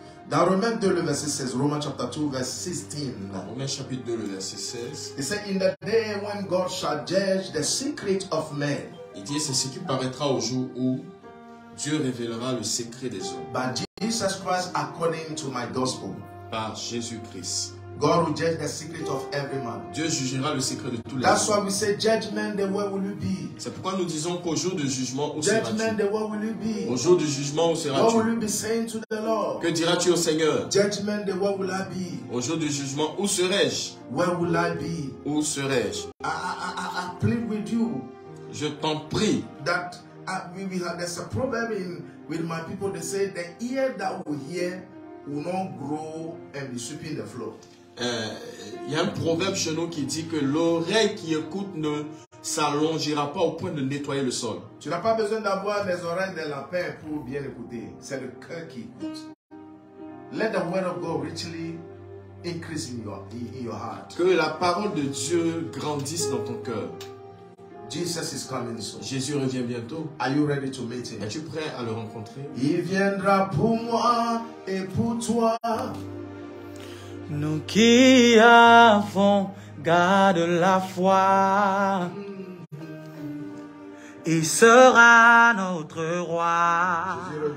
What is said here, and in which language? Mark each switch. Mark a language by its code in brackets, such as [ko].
[fr] Dans Romains 2, le verset 16, Romains chapitre 2, verset 16. Dans Romains chapitre 2, le verset 16. Il dit, [en] in the day when God shall judge the secret of men. [fr] Il dit, c'est ce qui paraîtra au jour où Dieu révélera le secret des hommes. [en] By Jesus Christ, according to my gospel. [fr] Par Jésus Christ. [en] God will judge the secret of every man. [fr] Dieu jugera le secret de tous les hommes. [en] That's why we say judgment, the way will you be? [fr] C'est pourquoi nous disons qu'au jour du jugement, où [en] judgment, [fr] seras-tu? [en] The way will you be? [fr] Au jour du jugement, où seras-tu? [en] What will you be saying to the Lord? [fr] Que diras-tu au Seigneur? [en] Judgment, the way will I be? [fr] Au jour du jugement, où serai-je? [en] Where will I be? [fr] Où serai-je? [en] I plead with you. [fr] Je t'en prie. [en] That we have, there's a problem with my people. They say the ear that will hear ou non gros et discipline de flot. [fr] Il y a un proverbe chez nous qui dit que l'oreille qui écoute ne s'allongera pas au point de nettoyer le sol. Tu n'as pas besoin d'avoir les oreilles de lapin pour bien écouter. C'est le cœur qui écoute. [en] Let the word of God richly increase in your heart. [fr] Que la parole de Dieu grandisse dans ton cœur. [en] Jesus is coming soon. [fr] Jésus revient bientôt. [en] Are you ready to meet him? [fr] Es-tu prêt à le rencontrer? Il viendra pour moi et pour toi. Nous qui avons garde la foi, il sera notre roi.